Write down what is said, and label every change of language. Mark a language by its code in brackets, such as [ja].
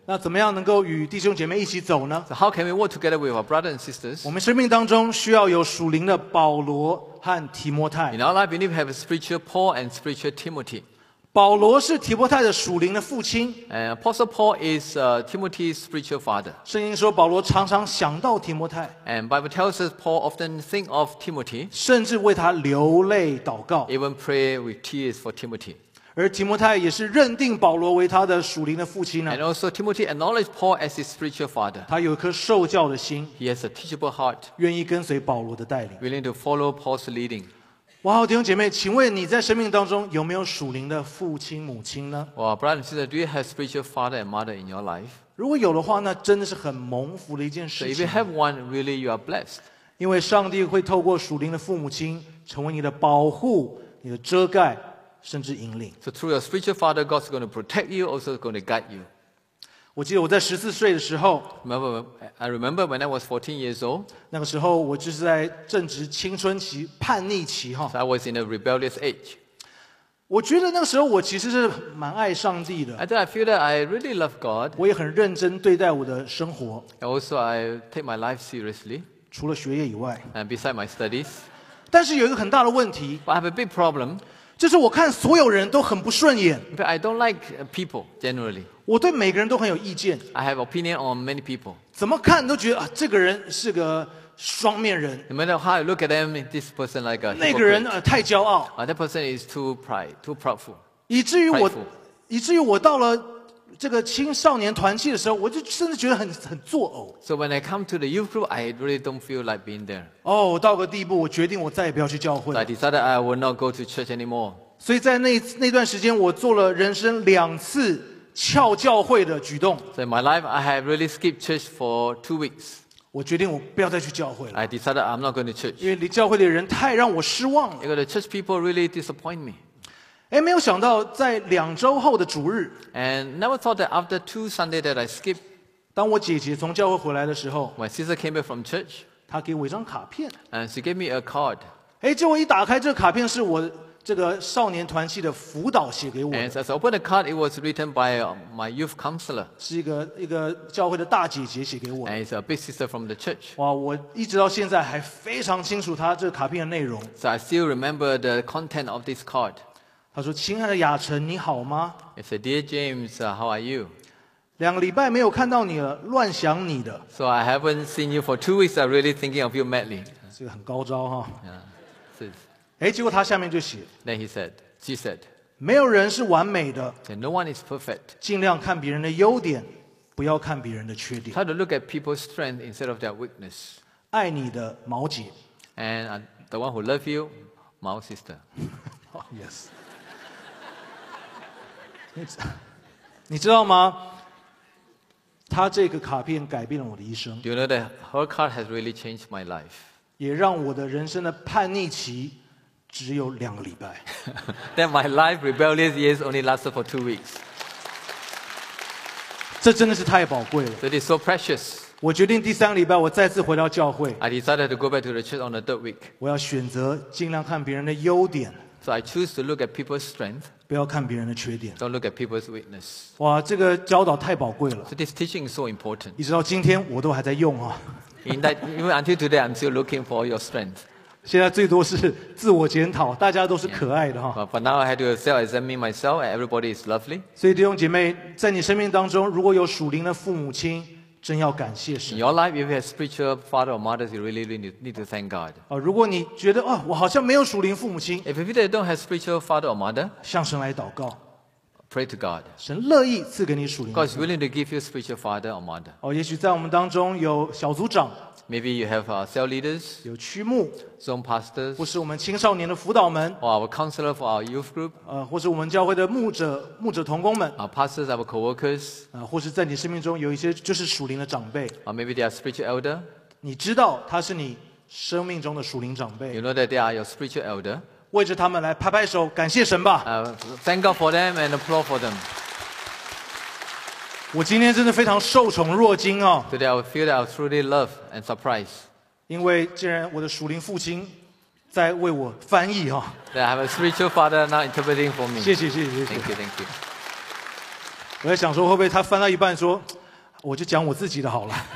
[zh] 那怎么样能够与弟兄姐妹一起走呢？ [en] So how can we walk together with our brother and sisters? [zh] 我们生命当中需要有属灵的保罗和提摩太。 [en] In our life, we need to have a spiritual Paul and spiritual Timothy. [zh] 保罗是提摩太的属灵的父亲。 [en] Apostle Paul is Timothy's spiritual father. [zh] 圣经说保罗常常想到提摩太。 [en] And Bible tells us Paul often think of Timothy. [zh] 甚至为他流泪祷告。 [en] Even pray with tears for Timothy. [zh] 而提摩太也是认定保罗为他的属灵的父亲呢。 [en] And also Timothy acknowledged Paul as his spiritual father. [zh] 他有一颗受教的心。 [en] He has a teachable heart. [zh] 愿意跟随保罗的带领。 [en] Willing to follow Paul's leading. [zh] 哇、wow, 弟兄姐妹，请问你在生命当中有没有属灵的父亲母亲呢？ [en] 哇、wow, brother and sister, do you have spiritual father and mother in your life? [zh] 如果有的话，那真的是很蒙福的一件事情。 [en] So if you have one, really you are blessed. [zh] 因为上帝会透过属灵的父母亲成为你的保护、你的遮盖，甚至引领。 [en] So through your spiritual father, God's going to protect you, also going to guide you. [zh] 我记得我在14岁的时候 [en] I remember when I was 14 years old. [zh] 那个时候我就是在正值青春期叛逆期。 [en] So I was in a rebellious age. [zh] 我觉得那个时候我其实是蛮爱上帝的。 [en] I feel that I really love God. [zh] 我也很认真对待我的生活。 [en] Also, I take my life seriously. [zh] 除了学业以外。 [en] And beside my studies. [zh] 但是有一个很大的问题。 [en] But I have a big problem. [zh] 就是我看所有人都很不顺眼。 [en] But I don't like people generally. [zh] 我对每个人都很有意见。 [en] I have opinion on many people. [zh] 怎么看都觉得、啊、这个人是个双面人。 [en] No matter how you look at them, this person like a hypocrite. [zh] 那个人、太骄傲。 [en] That person is too pride, too proudful. [zh] 以至于我到了这个青少年团契的时候，我就真的觉得很作呕。 [en] So when I come to the youth group, I really don't feel like being there. [zh] 哦，到个地步，我决定我再也不要去教会了。 [en] I decided I will not go to church anymore. [zh] 所以在那段时间，我做了人生两次翘教会的举动。 [en] So in my life, I have really skipped church for 2 weeks. [zh] 我决定我不要再去教会了。 [en] I decided I'm not going to church. [zh] 因为离教会的人太让我失望了。 [en] Because the church people really disappoint me. [zh] 哎，没有想到在两周后的主日。 [en] And never thought that after 2 Sundays that I skipped. [zh] 当我姐姐从教会回来的时候。 [en] My sister came back from church. [zh] 她给我一张卡片。 [en] And she gave me a card. [zh] 哎，结果一打开这个卡片是我这个少年团契的辅导写给我的。 [en] And as I opened the card, it was written by my youth counselor. [zh] 是一个教会的大姐姐写给我的。 [en] And it's a big sister from the church. [zh] 哇，我一直到现在还非常清楚她这个卡片的内容。 [en] So I still remember the content of this card. [zh] 她说：“亲爱的雅晨，你好吗 [en] ？”I said, "Dear James, how are you?" [zh] 两个礼拜没有看到你了，乱想你的。 [en] So I haven't seen you for 2 weeks. I'm really thinking of you madly. [zh] 这个很高招哈。 [en] Yeah, it's. [zh] 哎，结果他下面就写。 [en] Then he said, she said, [zh] 没有人是完美的。 [en] Then no one is perfect. [zh] 尽量看别人的优点，不要看别人的缺点。 [en] Try to look at people's strength instead of their weakness. [zh] 爱你的毛姐。 [en] And the one who loves you, 毛 sister. Yes. [zh] 你知道吗？他这个卡片改变了我的一生。 [en] Do you know that her card has really changed my life? [zh] 也让我的人生的叛逆期。只有两个礼拜。 [en] Then my life rebellious years only lasted for 2 weeks. [zh] 这真的是太宝贵了。 [en] That is so precious. [zh] 我决定第三个礼拜我再次回到教会。 [en] I decided to go back to the church on the 3rd week. [zh] 我要选择尽量看别人的优点。 [en] So I choose to look at people's strength. [zh] 不要看别人的缺点。 [en] Don't look at people's weakness. [zh] 哇，这个教导太宝贵了。 [en] So this teaching is so important. [zh] 一直到今天我都还在用啊。 [en] In that, even until today, I'm still looking for your strength. [zh] 现在最多是自我检讨，大家都是可爱的哈。 [en] Yeah. But now I had to self-examine myself, and everybody is lovely. [zh] 所以弟兄姐妹，在你生命当中，如果有属灵的父母亲，真要感谢神。 [en] In your life, if you have spiritual father or mothers, you really need to thank God. [zh] 如果你觉得、哦、我好像没有属灵父母亲 [en] ，If you don't have spiritual father or mother, [zh] 向神来祷告 [en] ，Pray to God. [zh] 神乐意赐给你属灵。 [en] God is willing to give you spiritual father or mother. [zh] 也许在我们当中有小组长。 [en] Maybe you have cell leaders, [zh] 有区牧 [en] zone pastors, [zh] 或是我们青少年的辅导们 [en] or our counselor for our youth group, [zh] 或是我们教会的牧者同工们 [en] our pastors, our co-workers, [zh] 或是在你生命中有一些就是属灵的长辈 [en] or maybe they are spiritual elder, [zh] 你知道他是你生命中的属灵长辈 [en] you know that they are your spiritual elder, [zh] 为着他们来拍拍手感谢神吧 [en] thank God for them and applaud for them. [zh] 我今天真的非常受宠若惊哦。 [en] Today I feel that I truly love and surprise. [zh] 因为既然我的属灵父亲在为我翻译哦。 [en] That I have a spiritual father now interpreting for me. [zh] 谢谢。 [en] Thank you. [zh] 我在想说会不会他翻到一半说，我就讲我自己的好了。